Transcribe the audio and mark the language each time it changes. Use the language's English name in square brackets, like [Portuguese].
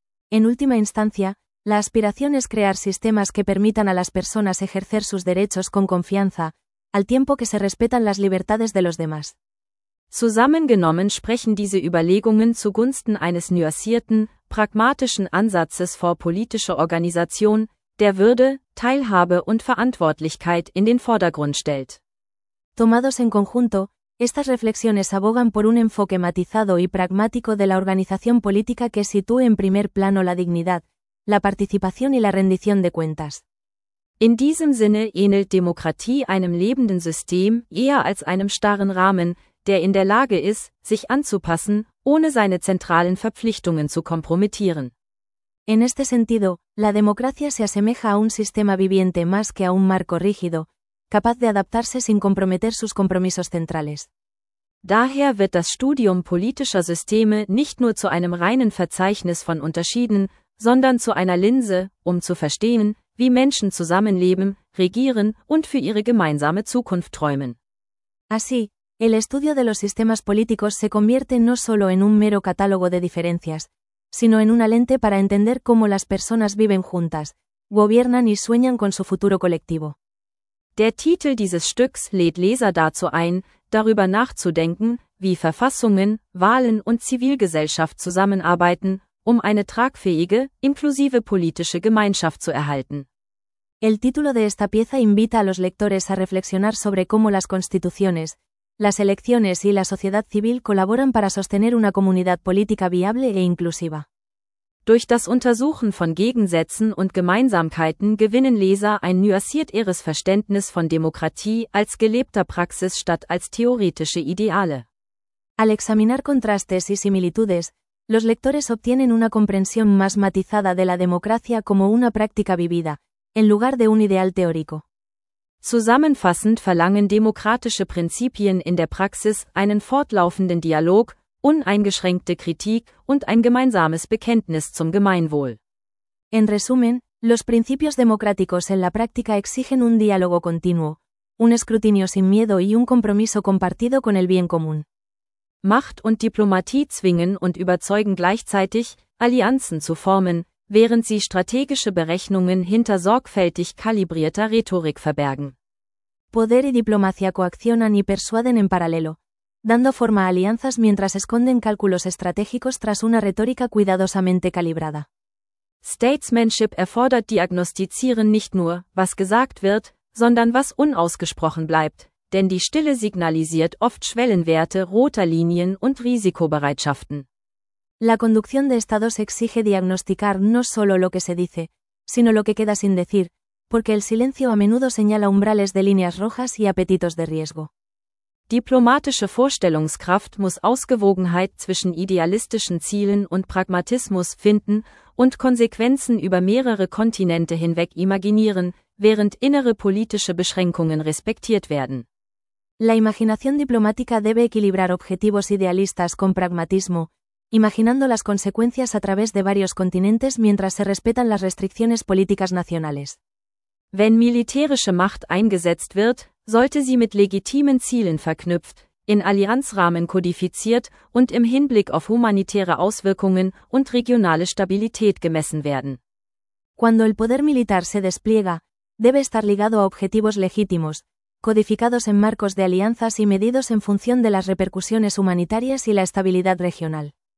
[Spanish] En última instancia, la aspiración es crear sistemas que permitan a las personas ejercer sus derechos con confianza, al tiempo que se respetan las libertades de los demás. [German] Zusammengenommen sprechen diese Überlegungen zugunsten eines nuancierten, pragmatischen Ansatzes vor politische Organisation, der Würde, Teilhabe und Verantwortlichkeit in den Vordergrund stellt. [Spanish] Tomados en conjunto, estas reflexiones abogan por un enfoque matizado y pragmático de la organización política que sitúe en primer plano la dignidad, la participación y la rendición de cuentas. [German] In diesem Sinne ähnelt Demokratie einem lebenden System eher als einem starren Rahmen, der in der Lage ist, sich anzupassen, ohne seine zentralen Verpflichtungen zu kompromittieren. [Spanish] En este sentido, la democracia se asemeja a un sistema viviente más que a un marco rígido, capaz de adaptarse sin comprometer sus compromisos centrales. [German] Daher wird das Studium politischer Systeme nicht nur zu einem reinen Verzeichnis von Unterschieden, sondern zu einer Linse, um zu verstehen, wie Menschen zusammenleben, regieren und für ihre gemeinsame Zukunft träumen. [Spanish] Así, el estudio de los sistemas políticos se convierte no solo en un mero catálogo de diferencias, sino en una lente para entender cómo las personas viven juntas, gobiernan y sueñan con su futuro colectivo. [German] Der Titel dieses Stücks lädt Leser dazu ein, darüber nachzudenken, wie Verfassungen, Wahlen und Zivilgesellschaft zusammenarbeiten, um eine tragfähige, inklusive politische Gemeinschaft zu erhalten. [Spanish] El título de esta pieza invita a los lectores a reflexionar sobre cómo las constituciones, las elecciones y la sociedad civil colaboran para sostener una comunidad política viable e inclusiva. [German] Durch das Untersuchen von Gegensätzen und Gemeinsamkeiten gewinnen Leser ein nuancierteres Verständnis von Demokratie als gelebter Praxis statt als theoretische Ideale. [Spanish] Al examinar contrastes y similitudes, los lectores obtienen una comprensión más matizada de la democracia como una práctica vivida, en lugar de un ideal teórico. [German] Zusammenfassend verlangen demokratische Prinzipien in der Praxis einen fortlaufenden Dialog, uneingeschränkte Kritik und ein gemeinsames Bekenntnis zum Gemeinwohl. [Spanish] En resumen, los principios democráticos en la práctica exigen un diálogo continuo, un escrutinio sin miedo y un compromiso compartido con el bien común. [German] Macht und Diplomatie zwingen und überzeugen gleichzeitig, Allianzen zu formen, während sie strategische Berechnungen hinter sorgfältig kalibrierter Rhetorik verbergen. [Spanish] Poder y diplomacia coaccionan y persuaden en paralelo, dando forma a alianzas mientras esconden cálculos estratégicos tras una retórica cuidadosamente calibrada. [German] Statesmanship erfordert diagnostizieren nicht nur, was gesagt wird, sondern was unausgesprochen bleibt, denn die Stille signalisiert oft Schwellenwerte roter Linien und Risikobereitschaften. [Spanish] La conducción de estados exige diagnosticar no solo lo que se dice, sino lo que queda sin decir, porque el silencio a menudo señala umbrales de líneas rojas y apetitos de riesgo. [German] Diplomatische Vorstellungskraft muss Ausgewogenheit zwischen idealistischen Zielen und Pragmatismus finden, und Konsequenzen über mehrere Kontinente hinweg imaginieren, während innere politische Beschränkungen respektiert werden. [Spanish] La imaginación diplomática debe equilibrar objetivos idealistas con pragmatismo, imaginando las consecuencias a través de varios continentes mientras se respetan las restricciones políticas nacionales. [German] Wenn militärische Macht eingesetzt wird, sollte sie mit legitimen Zielen verknüpft, in Allianzrahmen kodifiziert und im Hinblick auf humanitäre Auswirkungen und regionale Stabilität gemessen werden. [Spanish] Cuando el poder militar se despliega, debe estar ligado a objetivos legítimos, codificados en marcos de alianzas y medidos en función de las repercusiones humanitarias y la estabilidad regional.